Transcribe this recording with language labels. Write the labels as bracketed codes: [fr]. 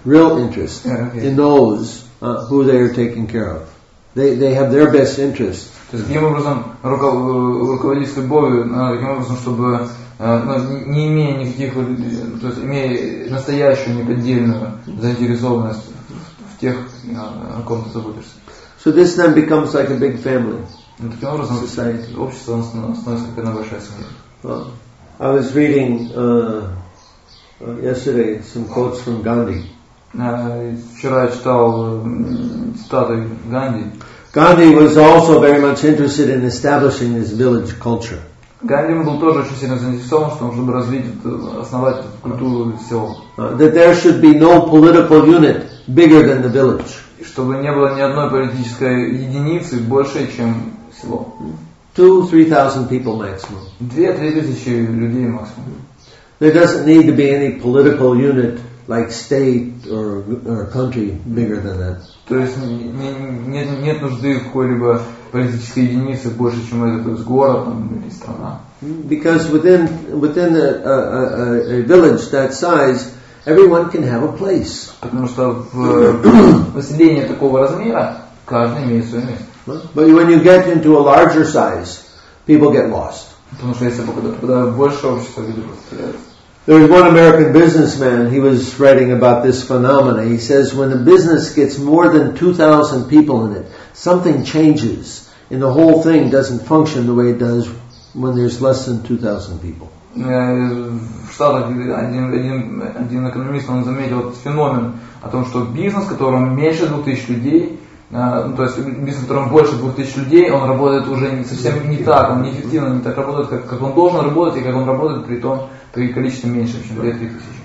[en] Real interest in those who they are taking care of. They have their best interest. [ru] То есть, каким образом руководить с любовью, таким образом, чтобы не имея никаких, то есть, имея настоящую, неподдельную заинтересованность в тех, о ком ты заботишься. [en] So this then becomes like a big family. [ru] И таким образом, society. Общество становится как одна большая семья. [en] I was reading yesterday some quotes from Gandhi. [ru] Вчера я читал цитаты Ганди. [en] Gandhi was also very much interested in establishing this village culture. [ru] Ганди был тоже очень сильно заинтересован, чтобы развить, основать культуру села. [en] That there should be no political unit bigger than the village. [ru] Чтобы не было ни одной политической единицы больше, чем село. [en] 2-3,000 people maximum. [ru] 2-3,000 людей максимум. [en] There doesn't need to be any political unit like state or country bigger than that. [ru] То есть нет нужды в какой-либо политической единице больше, чем этот город или страна. [en] Because within a village that size, everyone can have a place. [ru] Потому что в поселении такого размера каждый имеет свое место. [en] But when you get into a larger size, people get lost. [ru] Потому что если попадают в большее общество, люди потеряются. [en] There was one American businessman, he was writing about this phenomenon. He says, when a business gets more than 2,000 people in it, something changes, and the whole thing doesn't function the way it does when there's less than 2,000 people. [ru] В Штатах один экономист, он заметил этот феномен, о том, что бизнес, в котором меньше 2,000 людей, то есть бизнес, в котором больше 2,000 людей, он работает уже совсем не так, он неэффективно не так работает, как он должен работать, и как он работает при том, при количестве меньше, чем 2,000.